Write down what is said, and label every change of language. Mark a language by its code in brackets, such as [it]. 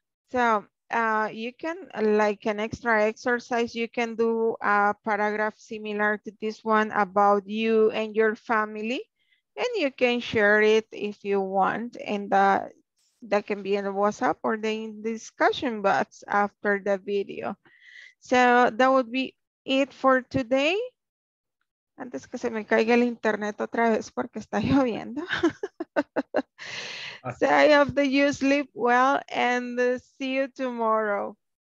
[en] So you can, like an extra exercise, you can do a paragraph similar to this one about you and your family, and you can share it if you want, and that can be in the WhatsApp or the discussion box after the video. So that would be it for today. [es] Antes que se me caiga el internet otra vez porque está lloviendo. [en] So I hope that you sleep well and see you tomorrow.